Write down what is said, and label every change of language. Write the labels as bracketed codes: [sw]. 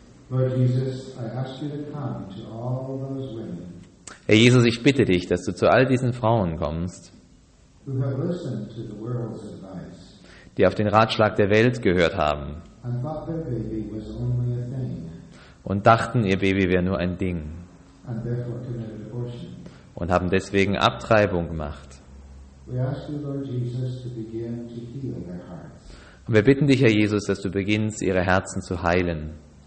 [en] Lord Jesus, I ask you to come to all those women. [de] Herr Jesus, ich bitte dich, dass du zu all diesen Frauen kommst, [en] who have listened to the world's advice, [de] die auf den Ratschlag der Welt gehört haben [en] and thought their baby was only a thing, [de] und dachten, ihr Baby wäre nur ein Ding [en] and therefore committed abortion, [de] und haben deswegen Abtreibung gemacht. [en] We ask you, Lord Jesus, to begin to heal their hearts. [de] Und wir bitten dich, Herr Jesus, dass du beginnst, ihre Herzen zu heilen.